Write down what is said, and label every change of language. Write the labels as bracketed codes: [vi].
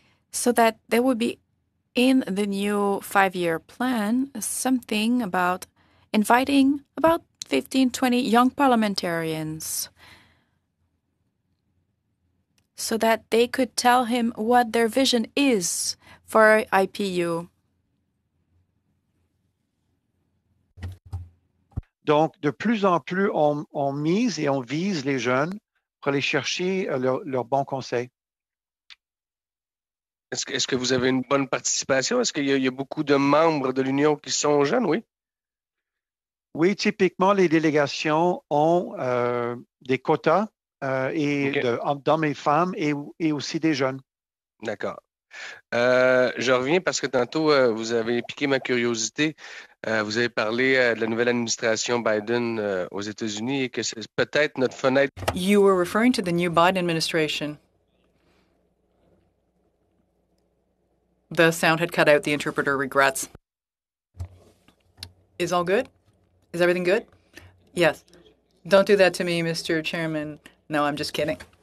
[en] so that there would be in the new 5-year plan something about inviting about 15, 20 young parliamentarians so that they could tell him what their vision is for IPU. [fr] Donc, de plus en plus, on mise et on vise les jeunes pour aller chercher leur bon conseil. Est-ce que vous avez une bonne participation? Est-ce qu'il y a beaucoup de membres de l'Union qui sont jeunes, oui? Oui, typiquement, les délégations ont des quotas et okay. Dans mes femmes et aussi des jeunes. D'accord. Je reviens parce que tantôt, vous avez piqué ma curiosité. Vous avez parlé de la nouvelle administration Biden aux États-Unis et que c'est peut-être notre fenêtre. [en] You were referring to the new Biden administration. The sound had cut out. The interpreter regrets. Is all good? Is everything good? Yes. Don't do that to me, Mr. Chairman. No, I'm just kidding.